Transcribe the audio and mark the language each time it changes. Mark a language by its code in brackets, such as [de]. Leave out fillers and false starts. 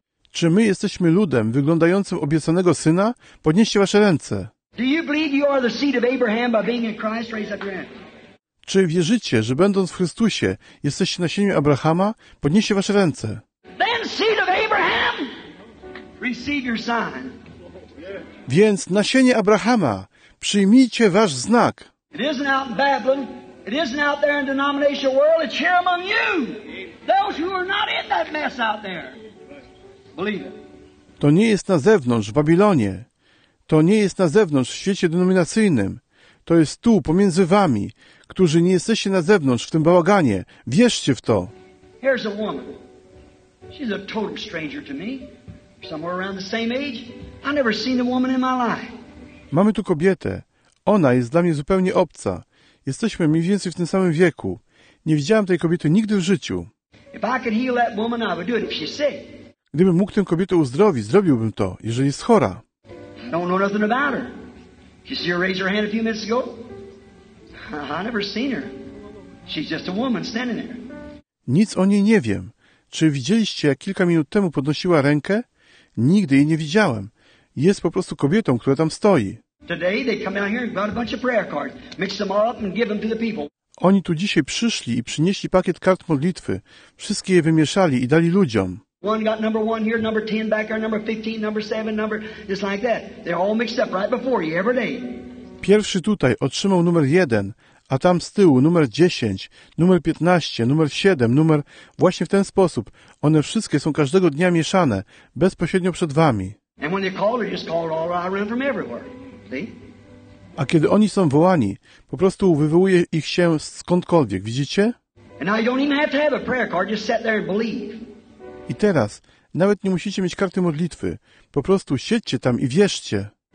[pl] Czy my jesteśmy ludem wyglądającym obiecanego Syna? Podnieście wasze ręce. [en] Do you believe you are the seed of Abraham by being in Christ? Raise up your hand. [pl] Czy wierzycie, że będąc w Chrystusie, jesteście nasieniem Abrahama? Podnieście wasze ręce. [en] Then seed of Abraham, receive your sign. [pl] Więc nasienie Abrahama, przyjmijcie wasz znak. [en] It isn't out in Babylon. It isn't out there in the denominational world. It's here among you. Those who are not in that mess out there. Believe it. [pl] To nie jest na zewnątrz, w Babilonie. To nie jest na zewnątrz, w świecie denominacyjnym. To jest tu, pomiędzy wami, którzy nie jesteście na zewnątrz, w tym bałaganie. Wierzcie w to. [en] Here's a woman. She's a total stranger to me. Somewhere around the same age. I've never seen a woman in my life. [pl] Mamy tu kobietę. Ona jest dla mnie zupełnie obca. Jesteśmy mniej więcej w tym samym wieku. Nie widziałam tej kobiety nigdy w życiu. [en] If I could heal that woman, I would do it if she's sick. [pl] Gdybym mógł tę kobietę uzdrowić, zrobiłbym to, jeżeli jest chora. [en] I don't know nothing about her. You see her raise her hand a few minutes ago? I never seen her. She's just a woman standing there. [pl] Nic o niej nie wiem. Czy widzieliście, jak kilka minut temu podnosiła rękę? Nigdy jej nie widziałem. Jest po prostu kobietą, która tam stoi. [en] Today they come out here and brought a bunch of prayer cards, mix them all up and give them to the people. [pl] Oni tu dzisiaj przyszli i przynieśli pakiet kart modlitwy. Wszystkie je wymieszali i dali ludziom. [en] One got number 1 here, number 10 back there, number 15, number 7, number just like that. They're all mixed up right before you every day. [pl] Pierwszy tutaj otrzymał numer 1, a tam z tyłu numer 10, numer 15, numer 7, numer właśnie w ten sposób. One wszystkie są każdego dnia mieszane bezpośrednio przed wami. [en] And when they call, they just call all around from everywhere. See? [pl] A kiedy oni są wołani, po prostu wywołuje ich się skądkolwiek, widzicie? [en] And I don't even have to have a prayer card, just sit there and believe. [pl] I teraz nawet nie musicie mieć karty modlitwy. Po prostu siedźcie tam i wierzcie.